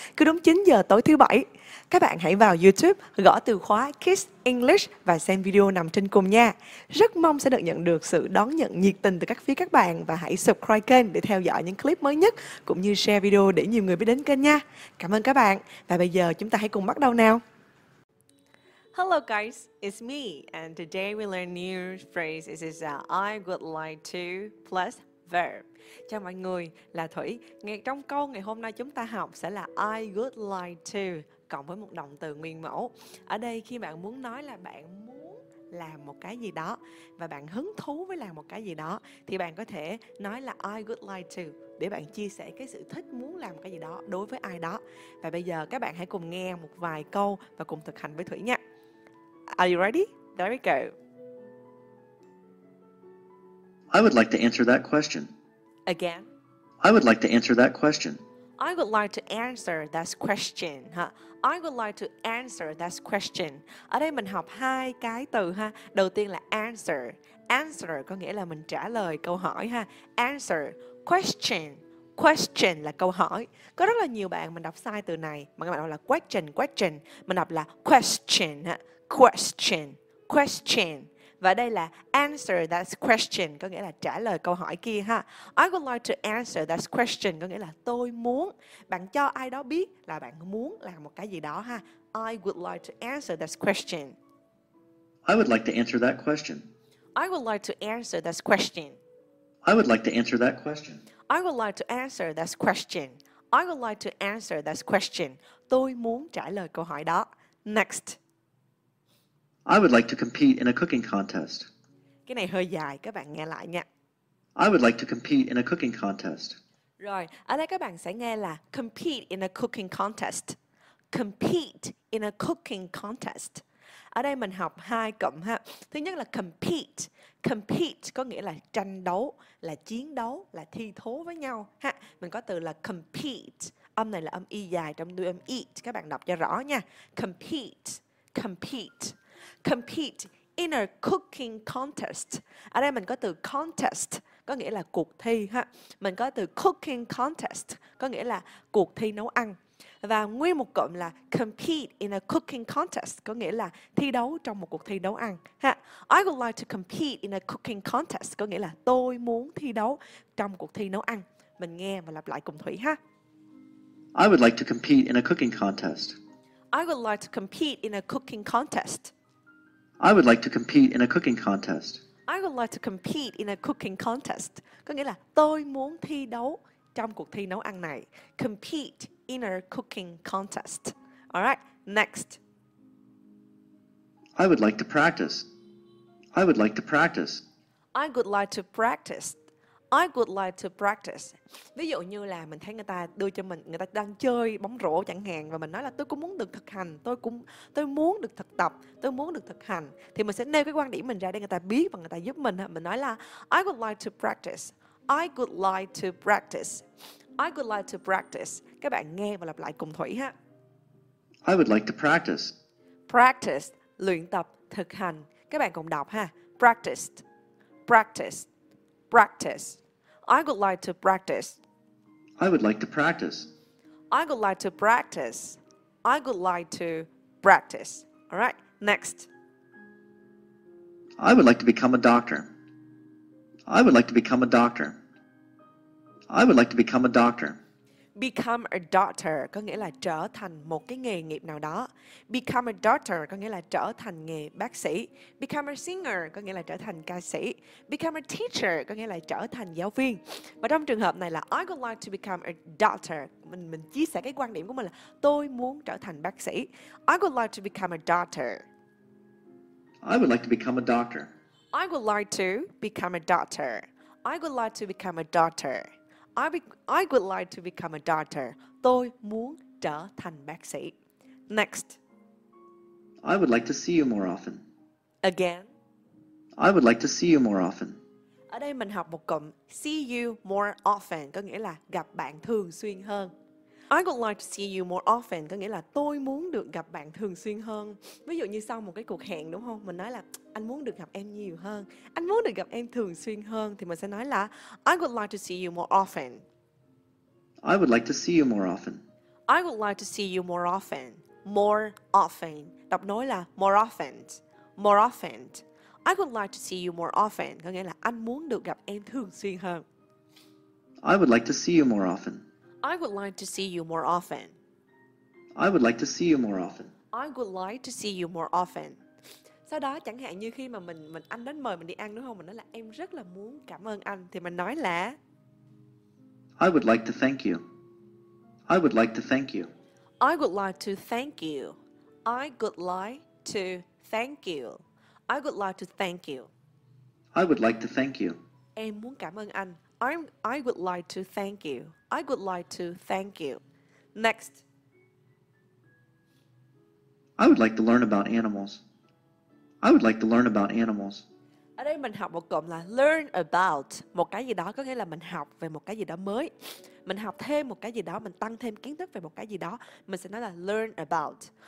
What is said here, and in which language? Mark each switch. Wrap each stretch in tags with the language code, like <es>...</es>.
<vi>Cứ đúng 9 giờ tối thứ bảy, các bạn hãy vào YouTube gõ từ khóa Kiss English và xem video nằm trên cùng nha. Rất mong sẽ được nhận được sự đón nhận nhiệt tình từ các phía các bạn và hãy subscribe kênh để theo dõi những clip mới nhất cũng như share video để nhiều người biết đến kênh nha. Cảm ơn các bạn và bây giờ chúng ta hãy cùng bắt đầu nào.</vi> <en>Hello guys, it's me, and today we learn new phrase. This is I would like to plus verb.</en> <vi>Chào mọi người, là Thủy. Nghe trong câu ngày hôm nay chúng ta học sẽ là</vi> <en>I would like to</en> <vi>cộng với một động từ nguyên mẫu. Ở đây khi bạn muốn nói là bạn muốn làm một cái gì đó và bạn hứng thú với làm một cái gì đó thì bạn có thể nói là</vi> <en>I would like to</en> <vi>để bạn chia sẻ cái sự thích muốn làm cái gì đó đối với ai đó. Và bây giờ các bạn hãy cùng nghe một vài câu và cùng thực hành với Thủy nha.</vi> <en>Are you ready? There we go. I would like to answer that question. Again? I would like to answer that question. I would like to answer that question. Huh? I would like to answer that question.</en> <vi>Ở đây mình học hai cái từ ha. Đầu tiên là answer. Answer có nghĩa là mình trả lời câu hỏi ha. Answer. Question. Question là câu hỏi. Có rất là nhiều bạn mình đọc sai từ này. Mà các bạn đọc là question, question. Mình đọc là question. Ha? Question, question. Và đây là</vi> <en>answer that question,</en> <vi>có nghĩa là trả lời câu hỏi kia ha.</vi> <en>I would like to answer that question,</en> <vi>có nghĩa là tôi muốn. Bạn cho ai đó biết là bạn muốn làm một cái gì đó ha.</vi> <en>I would like to answer that question. I would like to answer that question. I would like to answer that question. I would like to answer that question. I would like to answer that question. I would like to answer that question.</en> <vi>Tôi muốn trả lời câu hỏi đó.</vi> <en>Next. I would like to compete in a cooking contest.</en> <vi>Cái này hơi dài, các bạn nghe lại nha.</vi> <en>I would like to compete in a cooking contest.</en> <vi>Rồi, ở đây các bạn sẽ nghe là</vi> <en>compete in a cooking contest. Compete in a cooking contest.</en> <vi>Ở đây mình học hai cụm ha. Thứ nhất là compete. Compete có nghĩa là tranh đấu, là chiến đấu, là thi thố với nhau ha. Mình có từ là compete. Âm này là âm y dài trong đuôi âm eat, các bạn đọc cho rõ nha.</vi> <en>Compete, compete. Compete in a cooking contest.</en> <vi>Ở đây mình có từ contest, có nghĩa là cuộc thi ha. Mình có từ cooking contest, có nghĩa là cuộc thi nấu ăn. Và nguyên một cụm là</vi> <en>compete in a cooking contest,</en> <vi>có nghĩa là thi đấu trong một cuộc thi nấu ăn ha.</vi> <en>I would like to compete in a cooking contest,</en> <vi>có nghĩa là tôi muốn thi đấu trong cuộc thi nấu ăn. Mình nghe và lặp lại cùng Thủy ha.</vi> <en>I would like to compete in a cooking contest. I would like to compete in a cooking contest. I would like to compete in a cooking contest. I would like to compete in a cooking contest.</en> <vi>Có nghĩa là tôi muốn thi đấu trong cuộc thi nấu ăn này.</vi> <en>Compete in a cooking contest. All right, next. I would like to practice. I would like to practice. I would like to practice. I would like to practice.</en> <vi>Ví dụ như là mình thấy người ta đưa cho mình, người ta đang chơi bóng rổ chẳng hạn, và mình nói là tôi cũng muốn được thực hành, tôi muốn được thực tập, tôi muốn được thực hành. Thì mình sẽ nêu cái quan điểm mình ra để người ta biết và người ta giúp mình. Mình nói là</vi> <en>I would like to practice. I would like to practice. I would like to practice.</en> <vi>Các bạn nghe và lặp lại cùng Thủy ha.</vi> <en>I would like to practice.</en> <vi>Practice, luyện tập, thực hành. Các bạn cùng đọc ha. Practiced. Practiced. Practice.</vi> <en>I would like to practice. I would like to practice. I would like to practice. I would like to practice. All right, next. I would like to become a doctor. I would like to become a doctor. I would like to become a doctor. Become a doctor</en> <vi>có nghĩa là trở thành một cái nghề nghiệp nào đó.</vi> <en>Become a doctor</en> <vi>có nghĩa là trở thành nghề bác sĩ.</vi> <en>Become a singer</en> <vi>có nghĩa là trở thành ca sĩ.</vi> <en>Become a teacher</en> <vi>có nghĩa là trở thành giáo viên. Và trong trường hợp này là</vi> <en>I would like to become a doctor.</en> <vi>Mình chia sẻ cái quan điểm của mình là tôi muốn trở thành bác sĩ.</vi> <en>I would like to become a doctor. I would like to become a doctor. I would like to become a doctor. I would like to become a doctor. I would like to become a doctor.</en> <vi>Tôi muốn trở thành bác sĩ.</vi> <en>Next. I would like to see you more often. Again. I would like to see you more often.</en> <vi>Ở đây mình học một cụm</vi> <en>see you more often,</en> <vi>có nghĩa là gặp bạn thường xuyên hơn.</vi> <en>I would like to see you more often</en> <vi>có nghĩa là tôi muốn được gặp bạn thường xuyên hơn. Ví dụ như sau một cái cuộc hẹn đúng không? Mình nói là anh muốn được gặp em nhiều hơn. Anh muốn được gặp em thường xuyên hơn thì mình sẽ nói là</vi> <en>I would like to see you more often. I would like to see you more often. I would like to see you more often. More often.</en> <vi>Đọc nối là</vi> <en>more often. More often. I would like to see you more often.</en> <vi>Có nghĩa là anh muốn được gặp em thường xuyên hơn.</vi> <en>I would like to see you more often. I would like to see you more often. I would like to see you more often. I would like to see you more often.</en> <vi>Sau đó chẳng hạn như khi mà anh đến mời mình đi ăn đúng không? Mình nói là em rất là muốn cảm ơn anh. Thì mình nói là</vi> <en>I would like to thank you. I would like to thank you. I would like to thank you. I would like to thank you. I would like to thank you. I would like to thank you.</en> <vi>Em muốn cảm ơn anh.</vi> <en>I would like to thank you. I would like to thank you. Next. I would like to learn about animals. I would like to learn about animals.</en> <vi>Ở đây mình học một cụm là</vi> <en>learn about.</en> <vi>Một cái gì đó có nghĩa là mình học về một cái gì đó mới. Mình học thêm một cái gì đó, mình tăng thêm kiến thức về một cái gì đó. Mình sẽ nói là</vi> <en>learn about.</en>